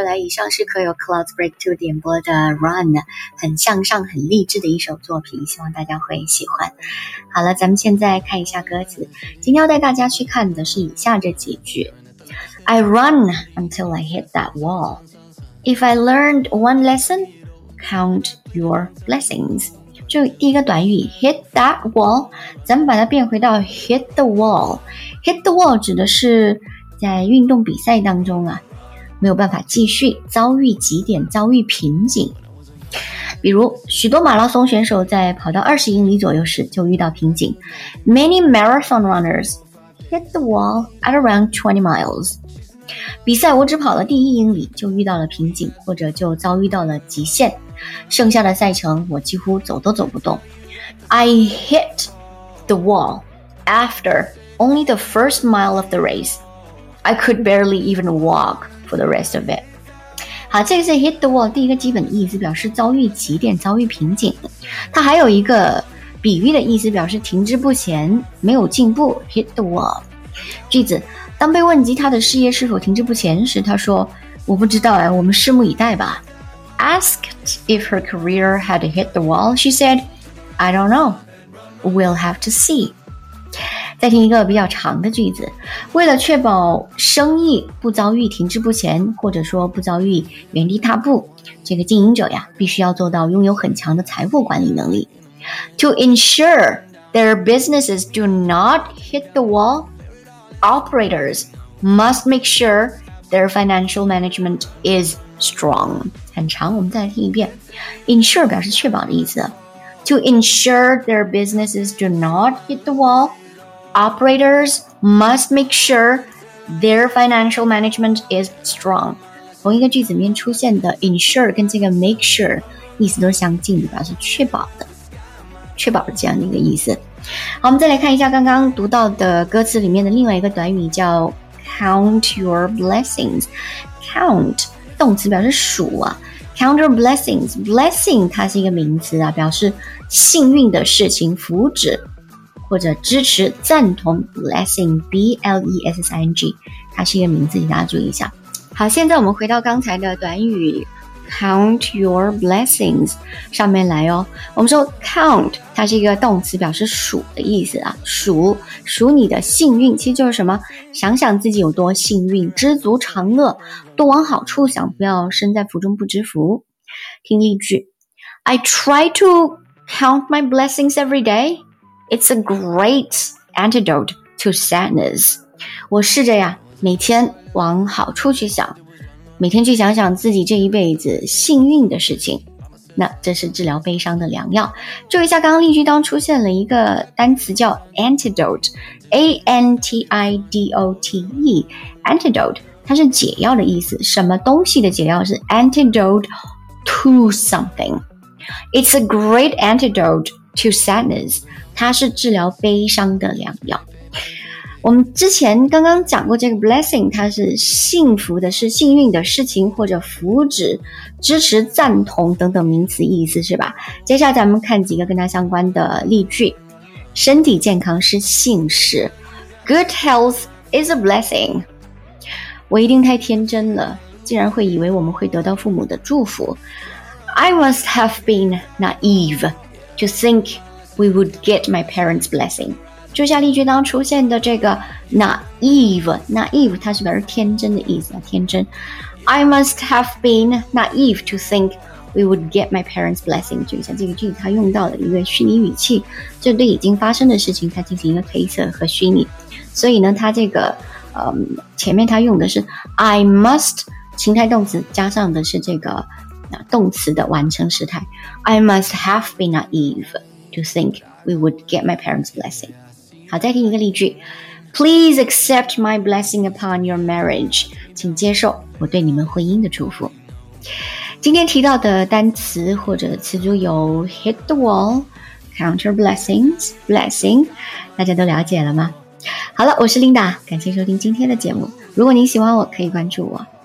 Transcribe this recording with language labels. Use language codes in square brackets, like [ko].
[zh] 像是可有 Clouds Break 2点播的 Run， 很向上很励志的一首作品，希望大家会喜欢。好了，咱们现在看一下歌词，今天要带大家去看的是以下这几句。 [en] I run until I hit that wall. If I learned one lesson, count your blessings. [zh] 就第一个短语 hit that wall， 咱们把它变回到 hit the wall。 hit the wall 指的是在运动比赛当中啊没有办法继续，遭遇极点，遭遇瓶颈。比如许多马拉松选手在跑到20英里左右时就遇到瓶颈。 [en] Many marathon runners hit the wall at around 20 miles. [zh] 比赛我只跑了第一英里就遇到了瓶颈，或者就遭遇到了极限。剩下的赛程我几乎走都走不动。 [en] I hit the wall after only the first mile of the race. I could barely even walk. For the rest of it. [zh] 好，这个是 hit the wall 第一个基本意思，表示遭遇极点，遭遇瓶颈。它还有一个比喻的意思，表示停滞不前，没有进步， hit the wall. 句子，当被问及他的事业是否停滞不前时，他说，我不知道，我们拭目以待吧。 [en] asked if her career had hit the wall, she said, I don't know. We'll have to see. [zh] 再听一个比较长的句子，为了确保生意不遭遇停滞不前，或者说不遭遇原地踏步，这个经营者呀，必须要做到拥有很强的财富管理能力。 [en] To ensure their businesses do not hit the wall, operators must make sure their financial management is strong. [zh] 很长，我们再来听一遍。 Ensure 表示确保的意思。 [en] To ensure their businesses do not hit the wall,Operators must make sure their financial management is strong. [zh] 同一个句子里面出现的 ensure 跟这个 make sure 意思都相近的，表示确保的，确保的这样的一个意思。好，我们再来看一下刚刚读到的歌词里面的另外一个短语，叫 count your blessings. Count 动词表示数啊。 [en] Count your blessings. [zh] Blessing 它是一个名词啊，表示幸运的事情，福祉。或者支持赞同 blessing B-L-E-S-S-I-N-G 它是一个名字，大家注意一下。好，现在我们回到刚才的短语 count your blessings 上面来哦。我们说 count 它是一个动词，表示数的意思啊，数数你的幸运，其实就是什么，想想自己有多幸运，知足常乐，多往好处想，不要身在福中不知福。 [en] 听例句， I try to count my blessings every dayIt's a great antidote to sadness. [zh] 我试着呀，每天往好处去想，每天去想想自己这一辈子幸运的事情。那这是治疗悲伤的良药。注意一下，刚刚例句当出现了一个单词叫 antidote，A-N-T-I-D-O-T-E， antidote 它是解药的意思，什么东西的解药是 antidote to something. [en] It's a great antidote to sadness. [zh] 它是治疗悲伤的良药。我们之前刚刚讲过这个 blessing， 它是幸福的，是幸运的事情，或者福祉、支持、赞同等等名词意思，是吧？接下来咱们看几个跟它相关的例句。身体健康是幸事， [en] Good health is a blessing。 [zh] 我一定太天真了，竟然会以为我们会得到父母的祝福。 [en] I must have been naive to thinkWe would get my parents' blessing. [zh] 就像例句当出现的这个 naive 它是表示天真的意思，天真。 [en] I must have been naive to think we would get my parents' blessing. [zh] 就像这个句子它用到了一个虚拟语气，就对已经发生的事情它进行一个推测和虚拟。所以呢，它这个前面它用的是 I must 情态动词加上的是这个动词的完成时态。 [en] I must have been naive. To think we would get my parents' blessing. [zh] 好，再听一个例句。 [en] Please accept my blessing upon your marriage. [zh] 请接受我对你们婚姻的祝福。今天提到的单词或者词组有 hit the wall, count your blessings, blessing. 大家都了解了吗？好了，我是 Linda， 感谢收听今天的节目。如果您喜欢我，可以关注我。